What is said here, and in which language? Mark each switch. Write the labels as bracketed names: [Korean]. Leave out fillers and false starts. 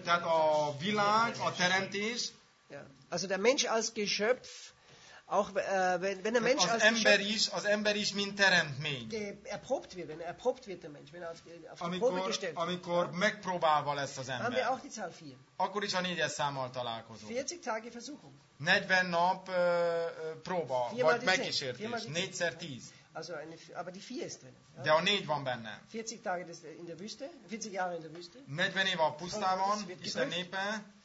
[Hungarian] Tehát a világ, a teremtés. [German] Also der Mensch als Geschöpf. Auch wenn der Mensch [Hungarian] Az ember is, mint teremtmény. [German] Erprobt wird der Mensch, wenn er auf die Probe gestellt wird. [Hungarian] Amikor megpróbálva lesz az ember. [German] Haben wir auch die Zahl 4. [Hungarian] Akkor is a négyes számmal találkozunk. [German] 40 Tage Versuchung. [Hungarian] 40 nap próba, vagy megkísértés. [German] 4x10. Also eine, aber die 4 ist drin. [Hungarian] Ja? De a 4 van benne. [German] 40 Tage in der Wüste, 40 Jahre in der Wüste. [Hungarian] 40 év a pusztában, Isten népe.